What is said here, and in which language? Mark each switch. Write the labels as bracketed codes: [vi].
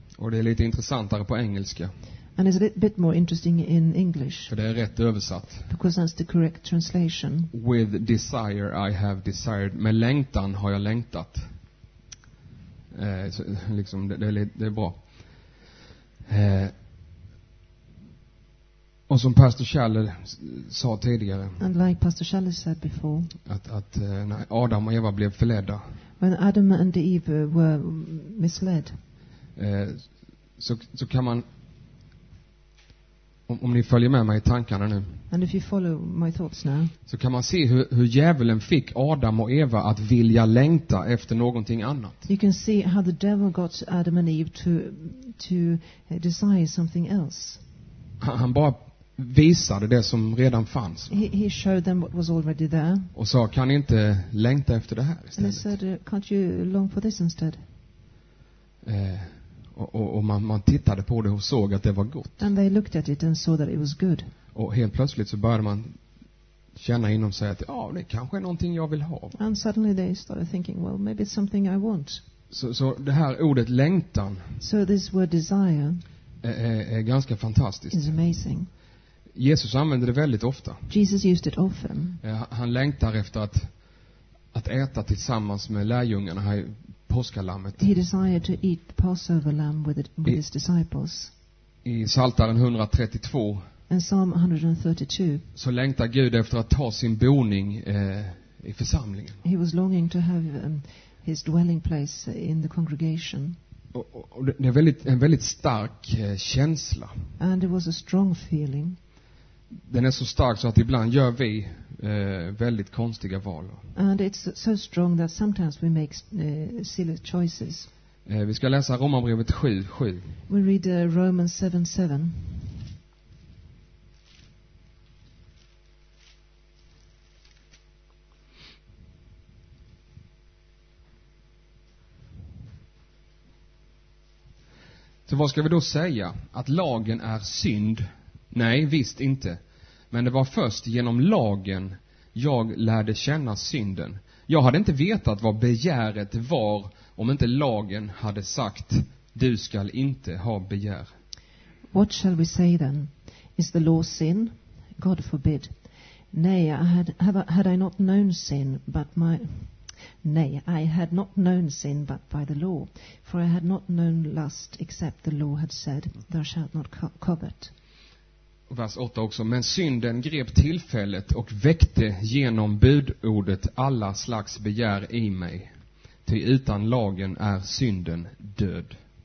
[sv] Och det är lite intressantare på engelska. [en] And it's a bit more interesting in English. [sv] För det är rätt översatt. [en] Because that's the correct translation. With desire I have desired. [sv] Med längtan har jag längtat. Liksom det är bra. Och som Pastor Kjeller sa tidigare. [en] And like Pastor Kjeller said before. [sv] Att när Adam och Eva blev förledda. [en] When Adam and Eve were misled. [sv] Så kan man. Om ni följer med mig i tankarna nu. [en] And if you follow my thoughts now. [sv] Så kan man se hur djävulen fick Adam och Eva att vilja längta efter någonting annat. [en] You can see how the devil got Adam and Eve to desire something else. [sv] Han bara visade det som redan fanns. [en] He showed them what was already there. [sv] Och sa: kan inte längta efter det här istället? [en] And they said, can't you long for this instead? [sv] Och man tittade på det och såg att det var gott. [en] And they looked at it and saw that it was good. [sv] Och helt plötsligt så började man känna inom sig att ja, det kanske är någonting jag vill ha. [en] And suddenly they started thinking, well, maybe it's something I want. [sv] Så det här ordet längtan. [en] So this word desire. [sv] Är ganska fantastiskt. [en] Is amazing. [sv] Jesus använde det väldigt ofta. [en] Jesus used it often. [sv] Han längtar efter att äta tillsammans med lärjungarna här. [en] He desired to eat the Passover lamb with his disciples. [sv] I Psaltaren 132. [en] In Psalm 132. [sv] Så längtar Gud efter att ta sin boning i församlingen. [en] He was longing to have his dwelling place in the congregation. [sv] Och det är en väldigt stark känsla. [en] And it was a strong feeling. [sv] Den är så stark så att ibland gör vi väldigt konstiga val. [en] And it's so strong that sometimes we make silly choices. [sv] Vi ska läsa Romarbrevet 7:7. [en] We read Romans 7:7. [sv] Så vad ska vi då säga? Att lagen är synd? Nej, visst inte. Men det var först genom lagen jag lärde känna synden. Jag hade inte vetat vad begäret var om inte lagen hade sagt: du skall inte ha begär. [en] What shall we say then? Is the law sin? God forbid. Nay, I had not known sin but by the law. For I had not known lust except the law had said, thou shalt not covet. [sv] Vers 8 också: men synden grep tillfället och väckte genom budordet alla slags begär i mig, ty utan lagen är synden död.